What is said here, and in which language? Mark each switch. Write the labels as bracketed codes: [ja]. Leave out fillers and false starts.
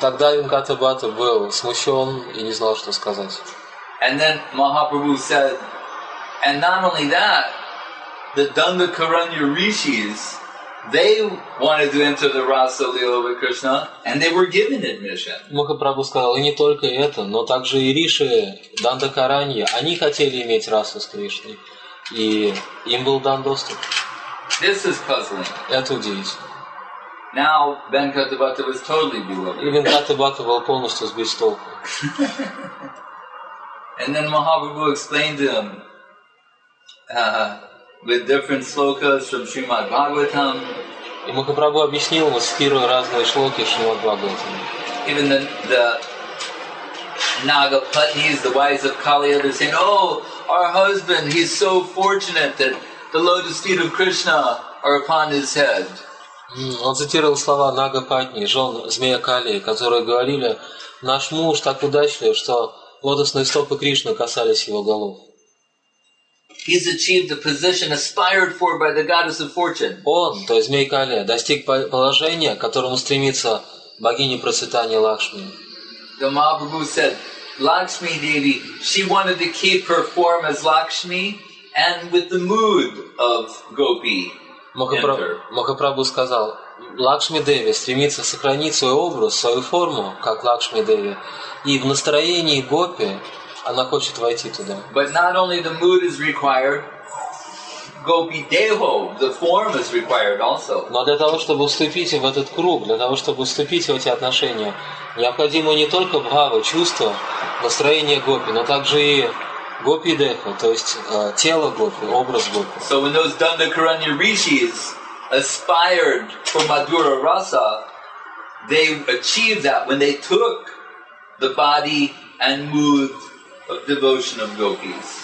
[ru] Тогда Венкатабхата был смущен и не знал, что сказать. [en] And then Mahaprabhu said, and not only that, the Dandakaranya rishis, they wanted to enter the Rasa Lila with Krishna, and they were given admission. [ru] Махапрабху сказал, и не только это, но также и риши Дандакаранья, они хотели иметь расу с Кришной, и им был дан доступ. [en] This is puzzling. [ru] Это удивительно. [en] Now Venkatabhata was totally bewildered. [ru] Венкатабхата был полностью сбит с толку. [en] And then Mahaprabhu explained to him with different slokas from Srimad Bhagavatam. [ru] И Махапрабху объяснил ему, цитируя разные шлоки Шримад Бхагаватам. [en] Even the Nagapatnis, the wives of Kaliya, they're saying, "Oh, our husband, he's so fortunate that the lotus feet of Krishna are upon his head." [ru] Он цитировал слова Нагапатни, жен змея Калии, которые говорили, наш муж так удачлив, что лотосные стопы Кришны касались его голов. [en] He's achieved the position aspired for by the goddess of fortune. [ru] Он, то есть змей Калия, достиг положения, к которому стремится богиня процветания Лакшми. [en] The Mahaprabhu said, Lakshmi Devi, she wanted to keep her form as Lakshmi and with the mood of Gopi. [ru] Махапрабху сказал, Лакшми Деви стремится сохранить свой образ, свою форму, как Лакшми Деви, и в настроении Гопи она хочет войти туда. [en] But not only the mood is required, Gopi Deho, the form is required also. [ru] Но для того, чтобы вступить в этот круг, для того, чтобы вступить в эти отношения, необходимо не только бхава, чувство, настроение Гопи, но также и Гопи Деха, то есть тело Гопи, образ Гопи. [en] So when those Dandakaranya rishis aspired for Madhura Rasa, they achieved that when they took the body and mood of devotion of gopis.